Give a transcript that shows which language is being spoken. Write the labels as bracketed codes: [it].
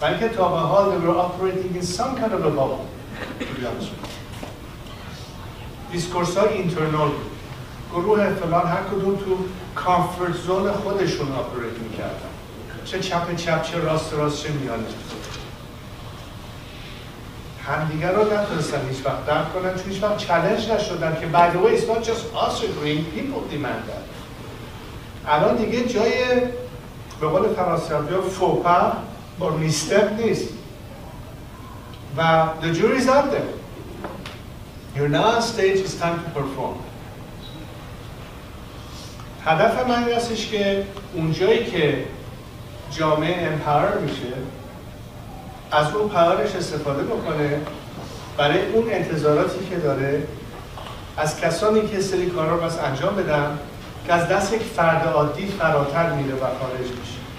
[fa] بلکه تا به حال [en] they were operating in some kind of a bubble, to be honest with you. [fa] Discourse های internal بود. گروه فلان هر کدوم تو comfort zone خودشون operate میکردن. چه چپ چپ، چه راست راست، چه میانه. همدیگر رو نتونستن هیچ وقت درک کنن چون هیچ وقت چالش نشدن که [en] by the way it's not just us agreeing, people demand that. [fa] الان دیگه جای به قول فرانسوی فوپا با میستر نیست و [en] the jury is out there. You're now on stage, it's time to perform. [fa] هدف من هستش که اونجایی که جامعه امپاور میشه از اون پاورش استفاده بکنه برای اون انتظاراتی که داره از کسانی که سری کارا رو بس انجام بدن که از دست یک فرد عادی فراتر میره و خارج میشه.